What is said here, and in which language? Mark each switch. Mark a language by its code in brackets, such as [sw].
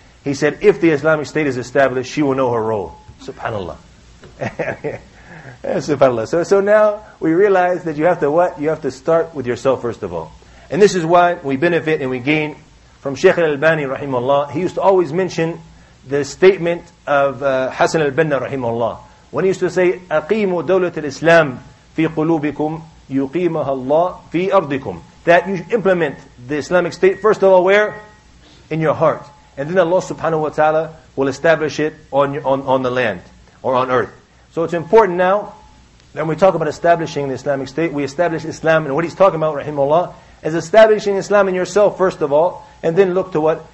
[en] He said, if the Islamic State is established, she will know her role. SubhanAllah. SubhanAllah. So now we realize that you have to what? You have to start with yourself first of all. And this is why we benefit and we gain from Shaykh al-Albani, rahimahullah. He used to always mention the statement of Hassan al-Banna, rahimahullah. When he used to say, [ar] أَقِيمُ دَوْلَةِ الْإِسْلَامِ فِي قُلُوبِكُمْ يُقِيمَهَا اللَّهِ فِي أَرْضِكُمْ. [en] That you implement the Islamic State, first of all, where? In your heart. And then Allah subhanahu wa ta'ala will establish it on the land, or on earth. So it's important now, when we talk about establishing the Islamic State, we establish Islam, and what he's talking about, rahimahullah, is establishing Islam in yourself, first of all, and then look to what?